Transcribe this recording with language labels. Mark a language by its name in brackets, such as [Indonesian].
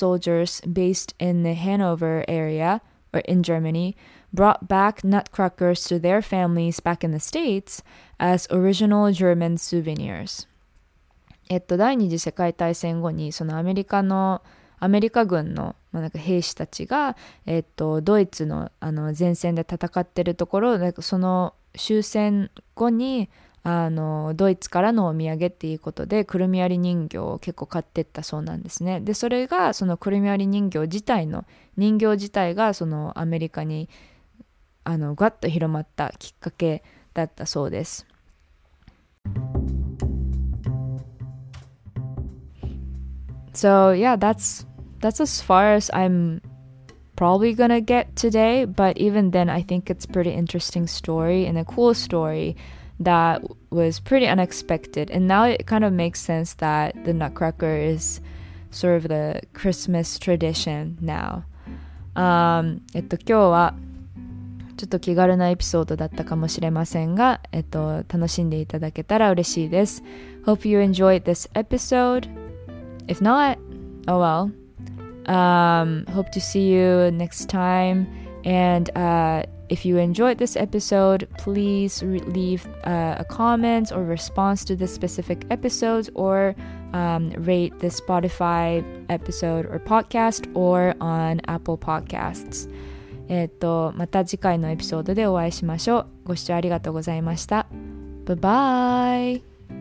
[English] soldiers based in the Hanover area or in Germany, brought back nutcrackers to their families back in the States as original German souvenirs. [Japanese] 第二次世界大戦後にそのアメリカ軍の、まあ、なんか兵士たちが、ドイツ の前線で戦ってるところ、なんかその終戦後にあのドイツからのお土産っていうことでくるみ割り人形を結構買ってったそうなんですね。でそれがそのくるみ割り人形自体の人形自体がそのアメリカにあのガッと広まったきっかけだったそうです。 [English] So yeah, that's as far as I'm probably gonna get today, but even then I think it's a pretty interesting story and a cool story that was pretty unexpected. And now it kind of makes sense that the Nutcracker is sort of the Christmas tradition now. [Japanese] 今日はちょっと気軽なエピソードだったかもしれませんが、楽しんでいただけたら嬉しいです。 [English] Hope you enjoyed this episode. If not, oh well. Hope to see you next time. And if you enjoyed this episode, please leave a comment or response to this specific episode, or rate the Spotify episode or podcast or on Apple Podcasts. [Japanese] また次回のエピソードでお会いしましょう。ご視聴ありがとうございました。 [English] Bye-bye!